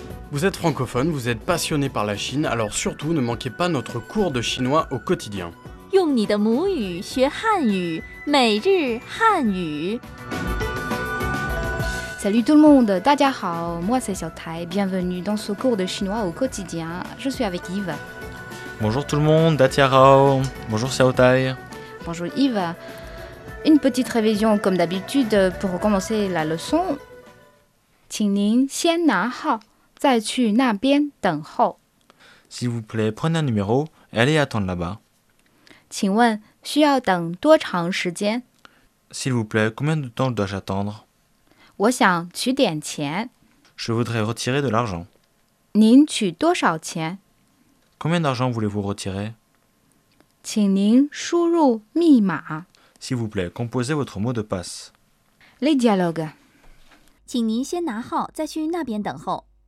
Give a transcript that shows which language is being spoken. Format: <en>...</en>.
<fr>Vous êtes francophone, vous êtes passionné par la Chine, alors surtout ne manquez pas notre cours de chinois au quotidien.</fr> <zh>用你的母语学汉语，每日汉语。</zh> <fr>Salut tout le monde,</fr> <zh>大家好</zh> <fr>moi c'est 小台 bienvenue dans ce cours de chinois au quotidien. Je suis avec Yves. Bonjour tout le monde,</fr> <zh>大家好</zh> <fr>bonjour 小台 Bonjour Yves. Une petite révision comme d'habitude pour commencer la leçon.</fr> <zh>请您先拿号，再去那边等候。</zh> <fr>S'il vous plaît, prenez un numéro et allez attendre là-bas.</fr> <zh>请问需要等多长时间</zh> <fr>？S'il vous plaît, combien de temps dois-je attendre？</fr> <zh>我想取点钱。</zh> <fr>Je voudrais retirer de l'argent.</fr> <zh>您取多少钱</zh> <fr>？Combien d'argent voulez-vous retirer？</fr> <zh>请您输入密码。</zh> <fr>S'il vous plaît, composez votre mot de passe. Les dialogues.</fr> <zh>请您先拿号，再去那边等候。</zh>